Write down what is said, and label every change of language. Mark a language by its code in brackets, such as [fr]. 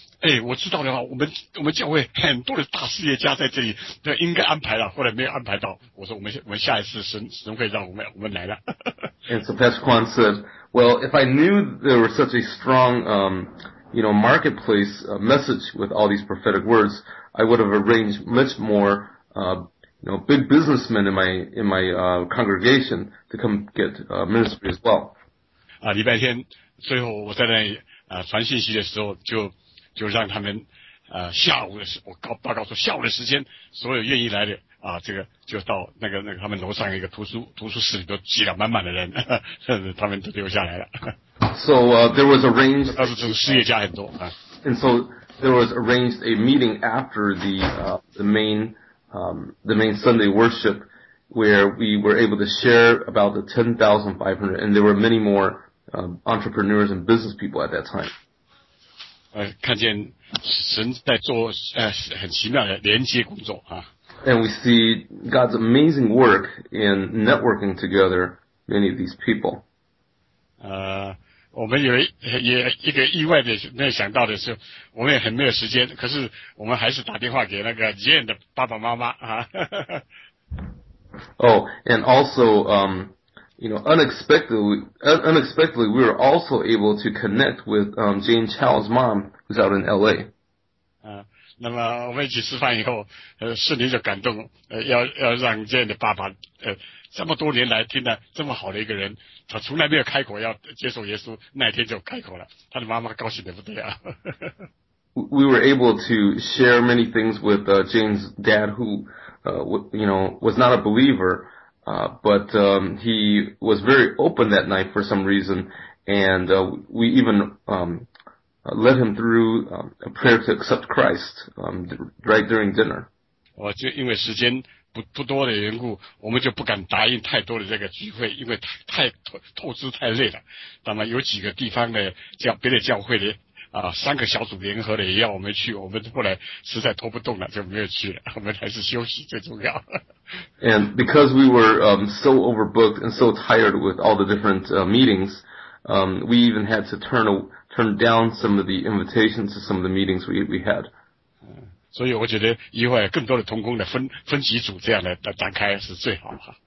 [zh] 哎，我知道的话，我们教会很多的大事业家在这里，对，应该安排了，后来没有安排到。我说我们下一次神会让我们来了。 [en] And so Pastor Kwan said, "Well, if I knew there was such a strong, marketplace message with all these prophetic words, I would have arranged much more, big businessmen in my congregation to come get ministry as well." [zh] 啊，礼拜天最后我在那里传信息的时候就让他们下午的时候我报告说下午的时间所有愿意来的啊这个就到那个他们楼上一个图书室里都挤了满满的人呵呵他们都留下来了。 [en] So, there was arranged, [zh] 当时就是事业家很多啊。 [en] And so, there was arranged a meeting after the main Sunday worship where we were able to share about the 10,500 and there were many more, entrepreneurs and business people at that time. [zh] 看见神在做很奇妙的连接工作啊。 [en] And we see God's amazing work in networking together many of these people. [zh] 我们以为也一个意外的没有想到的是我们也很没有时间可是我们还是打电话给那个 Jane 的爸爸妈妈啊。 [en] Oh, and also, unexpectedly, we were also able to connect with, Jane Chow's mom, who's out in LA. [zh] 那么我们一起吃饭以后圣灵就感动要让 Jane 的爸爸这么多年来听到这么好的一个人他从来没有开口要接受耶稣那天就开口了他的妈妈高兴得不得了。 [en] We were able to share many things with, Jane's dad who, was not a believer. But, he was very open that night for some reason, and, we even, led him through, a prayer to accept Christ, right during dinner. [zh] 就因为时间不多的缘故，我们就不敢答应太多的这个聚会，因为太透支太累了。那么有几个地方的别的教会的三个小组联合的也要我们去，我们后来实在拖不动了，就没有去了。我们还是休息最重要。 [en] And because we were so overbooked and so tired with all the different meetings, we even had to turn down some of the invitations to some of the meetings we had. [zh] 所以我觉得以后更多的同工的分几组这样的展开是最好的。